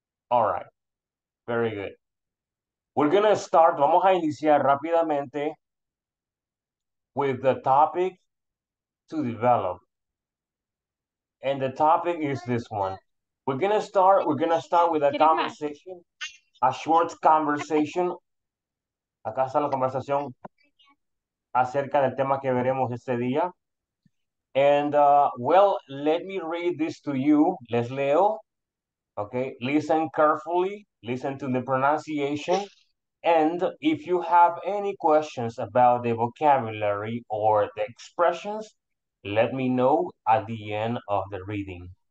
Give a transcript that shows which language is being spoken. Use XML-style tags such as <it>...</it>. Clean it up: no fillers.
<en>All right, very good. We're gonna start,</en> <es>vamos a iniciar rápidamente</es> <en>with the topic to develop. And the topic is this one. We're gonna start with a conversation, a short conversation.</en> <es>Acá está la conversación acerca del tema que veremos este día.</es> <en>And well, let me read this to you.</en> <es>Les leo.</es> <en>Okay, listen carefully, listen to the pronunciation. And if you have any questions about the vocabulary or the expressions, let me know at the end of the reading.</en>